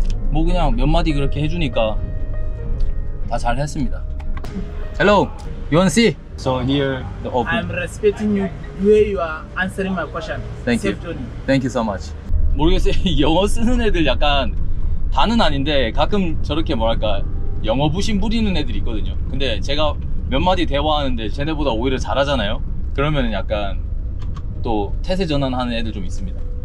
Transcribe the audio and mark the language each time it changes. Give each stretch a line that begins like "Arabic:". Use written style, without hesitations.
Korean: 뭐 그냥 몇 마디 그렇게 해주니까 다 잘했습니다.
English: Hello, you want to see? So here the open. I'm respecting you where you are answering my question. Thank Safe you. Journey. Thank you so much.
Korean: 모르겠어요. 영어 쓰는 애들 약간 다는 아닌데 가끔 저렇게 뭐랄까. 영어 부심 부리는 애들이 있거든요. 근데 제가 몇 마디 대화하는데 쟤네보다 오히려 잘하잖아요. 그러면은 약간 또 태세 전환하는 애들 좀 있습니다.